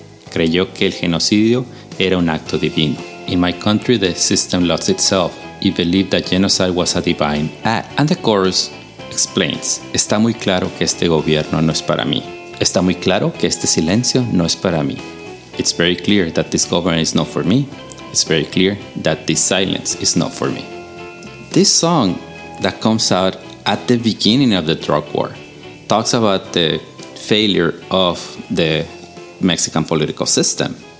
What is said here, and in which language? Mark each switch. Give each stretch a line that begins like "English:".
Spanish: Creyó que el genocidio era un acto divino.
English: In my country, the system lost itself. It believed that genocide was a divine act." And the chorus explains,
Spanish: "Está muy claro que este gobierno no es para mí. Está muy claro que este silencio no es para mí.
English: It's very clear that this government is not for me. It's very clear that this silence is not for me." This song that comes out at the beginning of the drug war talks about the failure of the Mexican political system.